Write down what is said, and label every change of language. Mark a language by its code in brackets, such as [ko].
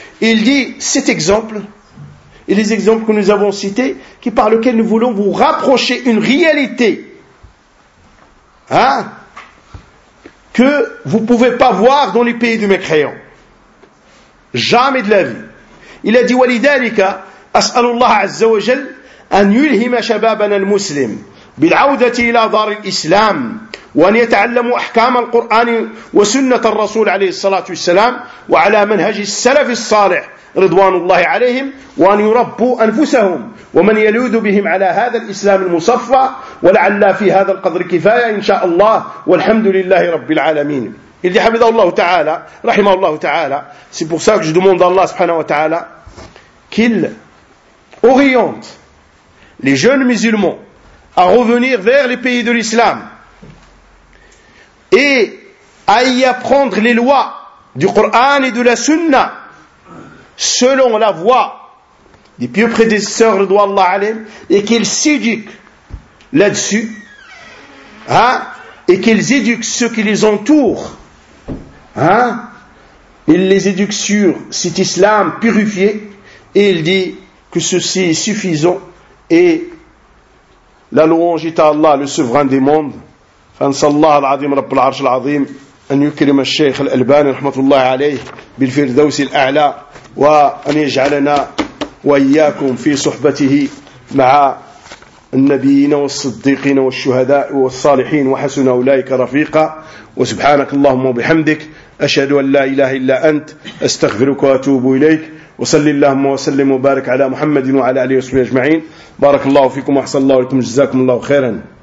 [fr] Il dit cet exemple et les exemples que nous avons cités qui par lequel nous voulons vous rapprocher une réalité, hein, que vous pouvez pas voir dans les pays du mécréant, jamais de la vie. Il a dit [ar] ولذلك أسأل الله عز وجل أن يلهم شبابنا المسلم بالعودة إلى دار الإسلام وأن يتعلموا أحكام القرآن وسنة الرسول عليه الصلاة والسلام وعلى منهج السلف الصالح رضوان الله عليهم وأن يربوا أنفسهم ومن يلوذ بهم على هذا الإسلام المصفى ولعل في هذا القدر كفاية إن شاء الله والحمد لله رب العالمين. [fr] Il dit [ar] حفظه الله تعالى رحمه الله تعالى. [fr] C'est pour ça que je demande à Allah سبحانه وتعالى qu'il oriente les jeunes musulmans à revenir vers les pays de l'islam et à y apprendre les lois du Coran et de la Sunna selon la voie des pieux prédécesseurs de Allah alayhim et qu'ils s'éduquent là-dessus, hein, et qu'ils éduquent ceux qui les entourent, hein, ils les éduquent sur cet islam purifié. Et il dit que ceci est suffisant et la louange est à Allah, le souverain des mondes. [ar] Fansallah al-Azim, Rabbul Arsh al-Azim, an yukrim al-Sheikh al-Albani, rahmatullahi alayhi, bil firdaus al-A'la, wa an yaj'alana wa iyaakum fi suhbatihi ma'a النبيين والصديقين والشهداء والصالحين وحسن أولئك رفيقا. وسبحانك اللهم وبحمدك أشهد أن لا إله إلا أنت أستغفرك وأتوب إليك. وصل اللهم وسلم وبارك على محمد وعلى آله وصحبه أجمعين. بارك الله فيكم وأحسن الله إليكم، جزاكم الله خيرا.